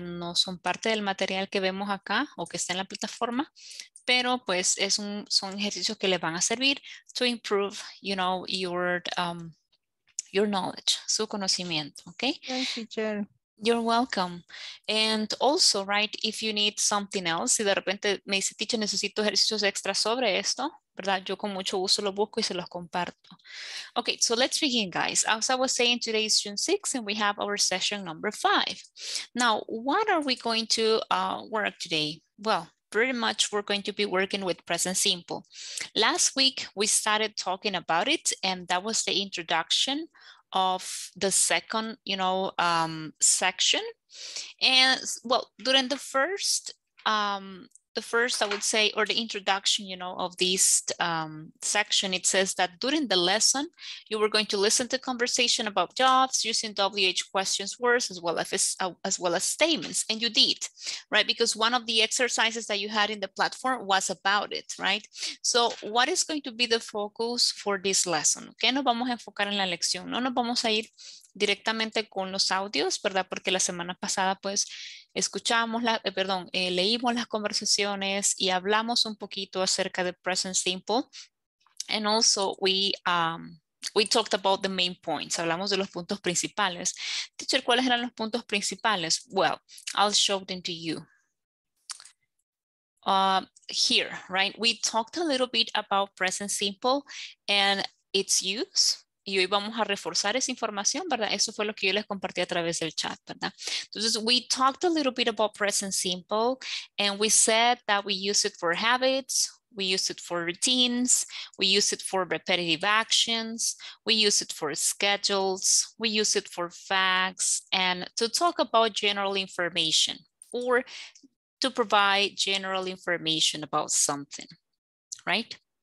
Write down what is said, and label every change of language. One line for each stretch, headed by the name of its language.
Spanish: No son parte del material que vemos acá o que está en la plataforma, pero pues son ejercicios que les van a servir
English: to improve, you know, your knowledge,
Spanish: su conocimiento, ¿ok?
English: Thank you, teacher. You're welcome. And also, right, if you need something else,
Spanish: si de repente me dice, teacher, necesito ejercicios extra sobre esto, ¿verdad? Yo con mucho gusto lo busco y se los comparto.
English: Okay, so let's begin, guys. As I was saying, today is June 6th and we have our session number 5. Now, what are we going to work today? Well, pretty much we're going to be working with present simple. Last week, we started talking about it and that was the introduction of the second, you know, section. And well, during the first, I would say, or the introduction, you know, of this section, it says that during the lesson, you were going to listen to conversation about jobs using WH questions, words, as well as statements. And you did, right? Because one of the exercises that you had in the platform was about it, right? So what is going to be the focus for this lesson?
Spanish: ¿Qué nos vamos a enfocar en la lección? No nos vamos a ir directamente con los audios, ¿verdad? Porque la semana pasada, pues, leímos las conversaciones y hablamos un poquito acerca de present simple.
English: And also we talked about the main points.
Spanish: Hablamos de los puntos principales. Teacher, ¿cuáles eran los puntos principales?
English: Well, I'll show them to you. Here, right? We talked a little bit about present simple and its use.
Spanish: Y hoy vamos a reforzar esa información, ¿verdad? Eso fue lo que yo les compartí a través del chat, ¿verdad?
English: Entonces, we talked a little bit about present simple and we said that we use it for habits, we use it for routines, we use it for repetitive actions, we use it for schedules, we use it for facts and to talk about general information or to provide general information about something, right?